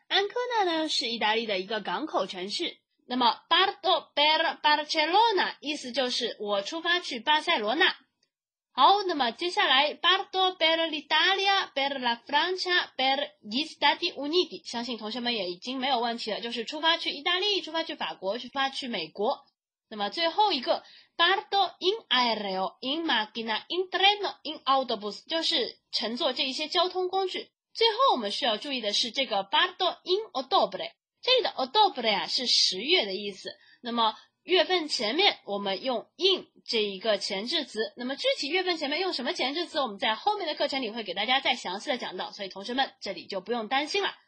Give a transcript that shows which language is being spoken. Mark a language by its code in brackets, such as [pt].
[zh] 安科纳呢是意大利的一个港口城市。那么 [it] Parto per Barcelona [zh] 意思就是我出发去巴塞罗那。好，那么接下来 [it] Parto per l'Italia, per la Francia, per gli Stati Uniti， [zh] 相信同学们也已经没有问题了，就是出发去意大利，出发去法国，出发去美国。那么最后一个 [it] Parto in aereo, in macchina, in treno, in autobus， [zh] 就是乘坐这一些交通工具。最后我们需要注意的是这个 [it] Parto in ottobre， [zh] 这里的 ottobre 啊是十月的意思，那么月份前面我们用 in 这一个前置词，那么具体月份前面用什么前置词，我们在后面的课程里会给大家再详细的讲到，所以同学们这里就不用担心了。